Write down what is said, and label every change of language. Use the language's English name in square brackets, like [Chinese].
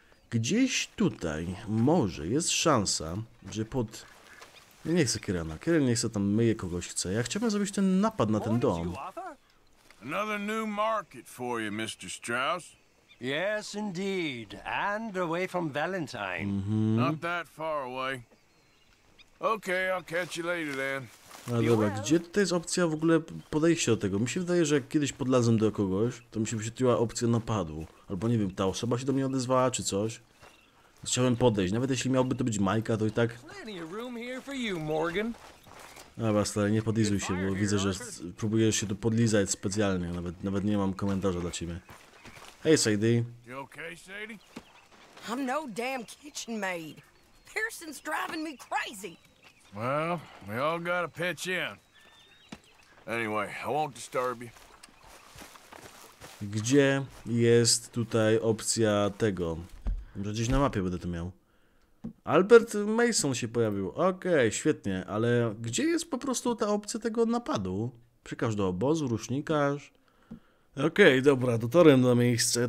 [Polish] Gdzieś tutaj może jest szansa, że pod... Nie chcę Kirena. Kiren nie chce tam myje kogoś chce. Ja chciałbym zrobić ten napad na ten dom. [English] Another new market for you, Mr. Strauss. Yes, indeed. And away from Valentine. Mm-hmm. Not that far away. Okay, I'll catch you later then. [Polish] A dobra, gdzie tutaj jest opcja w ogóle podejścia do tego? Mi się wydaje, że jak kiedyś podlazłem do kogoś, to mi się wyświetliła opcja napadu. Albo nie wiem, ta osoba się do mnie odezwała, czy coś. Chciałem podejść, nawet jeśli miałby to być Majka, to i tak... Dobra, stary, nie podlizuj się, bo widzę, że próbujesz się tu podlizać specjalnie. Nawet nie mam komentarza dla ciebie. Hej, Sadie. [English] You okay, Sadie? I'm no damn kitchen maid. Pearson's driving me crazy. Well, we all gotta pitch in. Anyway, I won't disturb you. [Polish] Gdzie jest tutaj opcja tego? Może gdzieś na mapie będę to miał. Albert Mason się pojawił. Okej, świetnie, ale gdzie jest po prostu ta opcja tego napadu? Przykaż do obozu, rusznikarz. Okej, dobra, dotarłem na miejsce.